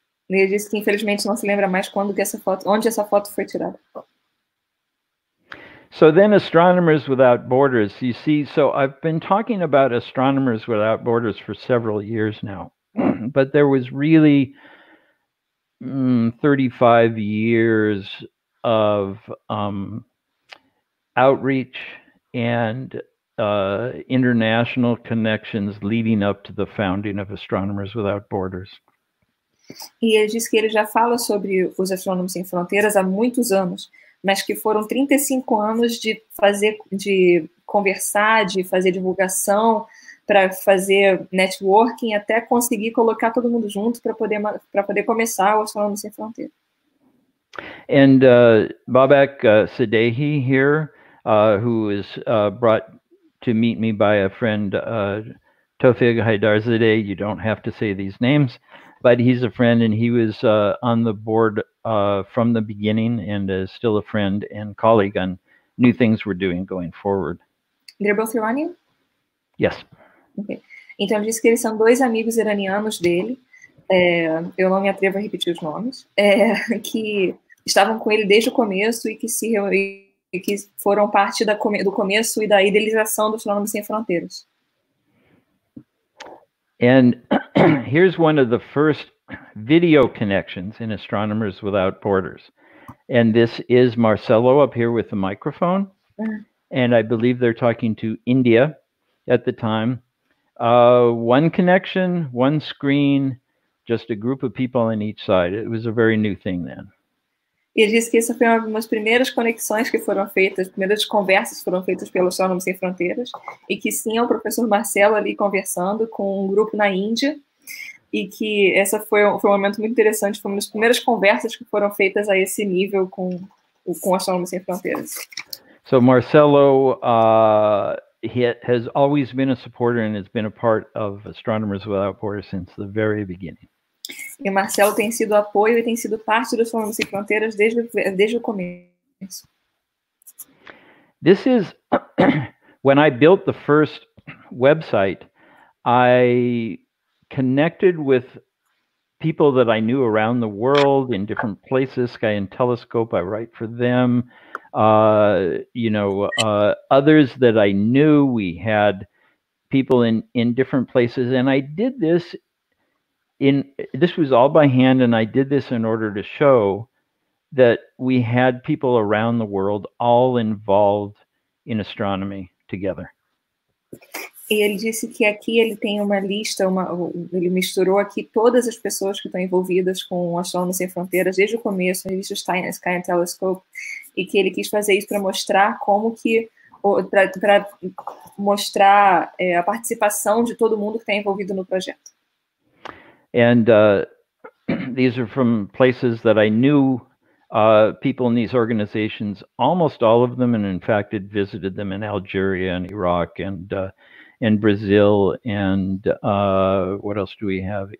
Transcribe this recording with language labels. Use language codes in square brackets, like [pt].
[pt] Ele disse que infelizmente não se lembra mais quando que essa foto, onde essa foto foi tirada. [en] So then Astronomers Without Borders, you see, so I've been talking about Astronomers Without Borders for several years now, but there was really 35 years of outreach and international connections leading up to the founding of Astronomers Without Borders. [pt] E ele diz que ele já fala sobre os Astrônomos Sem Fronteiras há muitos anos, mas que foram 35 anos de fazer, de conversar, de fazer divulgação, para fazer networking, até conseguir colocar todo mundo junto para poder começar o Astrônomos Sem Fronteiras. [en] And Babak Sadehi here, who is brought to meet me by a friend, Tofig Haidarzadeh, you don't have to say these names, but he's a friend and he was on the board from the beginning and is still a friend and colleague on new things we're doing going forward. They're both Iranian? Yes. Okay. [pt] Então, disse que eles são dois amigos iranianos dele, eu não me atrevo a repetir os nomes, que estavam com ele desde o começo e que se reuniram, que foram parte da, do começo e da idealização dos Astrônomos Sem Fronteiras. [en] And here's one of the first video connections in Astronomers Without Borders. And this is Marcelo up here with the microphone. And I believe they're talking to India at the time. One connection, one screen, just a group of people on each side. It was a very new thing then. [pt] Ele disse que essa foi uma das primeiras conexões que foram feitas, as primeiras conversas foram feitas pelo Astrônomos Sem Fronteiras, e que sim, é o professor Marcelo ali conversando com um grupo na Índia, e que essa foi um momento muito interessante, foi uma das primeiras conversas que foram feitas a esse nível com o Astrônomos Sem Fronteiras. [en] So Marcelo, he has always been a supporter and has been a part of Astronomers Without Borders since the very beginning. [pt] E o Marcelo tem sido apoio e tem sido parte do Astrônomos Sem Fronteiras desde o começo. [en] This is when I built the first website, I connected with people that I knew around the world in different places, Sky and Telescope, I write for them, others that I knew, we had people in different places, and I did this this was all by hand, and I did this in order to show that we had people around the world all involved in astronomy together. [pt] E ele disse que aqui ele tem uma lista, ele misturou aqui todas as pessoas que estão envolvidas com o Astrônomos Sem Fronteiras desde o começo, a revista Sky and Telescope, e que ele quis fazer isso para mostrar como que para mostrar a participação de todo mundo que está envolvido no projeto. [en] And these are from places that I knew people in these organizations, almost all of them, and in fact had visited them in Algeria and Iraq and in Brazil and what else do we have?